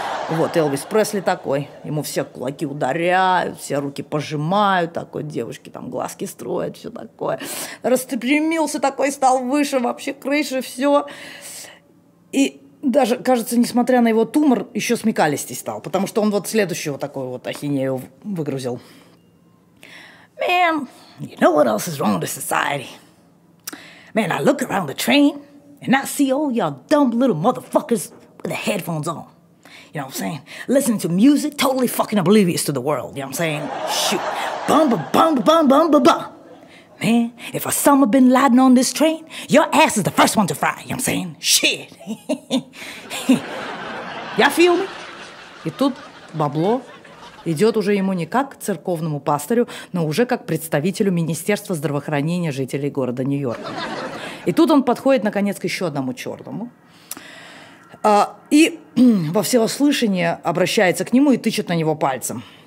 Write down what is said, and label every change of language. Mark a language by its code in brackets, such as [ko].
[ru] Вот, Элвис Пресли такой. Ему все кулаки ударяют, все руки пожимают, такой, девушки там глазки строят, все такое. Растопрямился такой, стал выше вообще крыши, все. И даже, кажется, несмотря на его тумор, еще смекалистей стал, потому что он вот следующего такую вот ахинею выгрузил. [en] Man, you know what else is wrong with society? Man, I look around the train, and I see all y'all dumb little motherfuckers with the headphones on. You know what I'm saying? Listening to music, totally fucking oblivious to the world. You know what I'm saying? Shoot. Bum, ba, bum, ba, bum, bum, ba, bum. Man, if Osama bin Laden on this train, your ass is the first one to fry. You know what I'm saying? Shit. Y'all feel me? [ru] И тут бабло идет уже ему не как церковному пастырю, но уже как представителю Министерства здравоохранения жителей города Нью-Йорка. И тут он подходит, наконец, к еще одному черному. И во всеуслышание обращается к нему и тычет на него пальцем.